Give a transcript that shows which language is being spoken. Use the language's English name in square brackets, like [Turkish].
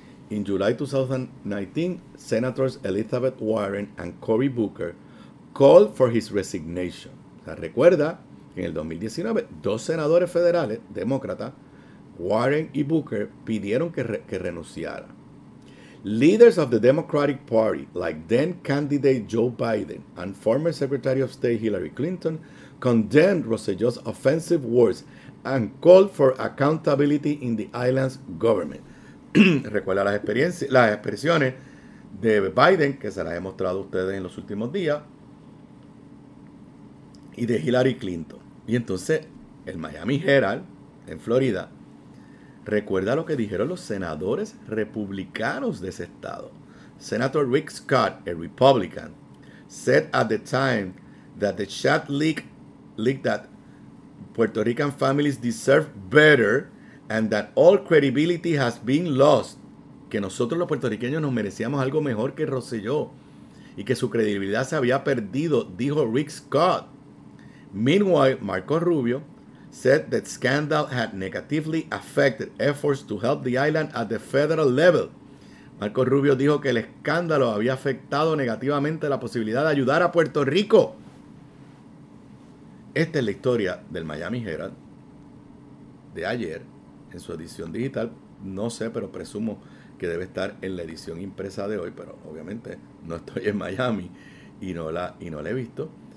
[English] In July 2019, Senators Elizabeth Warren and Cory Booker called for his resignation. [Spanish] O sea, recuerda que en el 2019, dos senadores federales, demócratas, Warren y Booker, pidieron que renunciara. [English] Leaders of the Democratic Party, like then-candidate Joe Biden and former Secretary of State Hillary Clinton, condemned Rosselló's offensive words and called for accountability in the island's government. [Spanish] Recuerda las expresiones de Biden, que se las he mostrado a ustedes en los últimos días, y de Hillary Clinton. Y entonces, el Miami Herald, en Florida, recuerda lo que dijeron los senadores republicanos de ese estado. [English] Senator Rick Scott, a Republican, said at the time that the chat leak that Puerto Rican families deserve better and that all credibility has been lost. [Spanish] Que nosotros los puertorriqueños nos merecíamos algo mejor que Rosselló y que su credibilidad se había perdido, dijo Rick Scott. [English] Meanwhile, Marco Rubio said that scandal had negatively affected efforts to help the island at the federal level. [Spanish] Marco Rubio dijo que el escándalo había afectado negativamente la posibilidad de ayudar a Puerto Rico. Esta es la historia del Miami Herald de ayer en su edición digital. No sé, pero presumo que debe estar en la edición impresa de hoy, pero obviamente no estoy en Miami y no la he visto.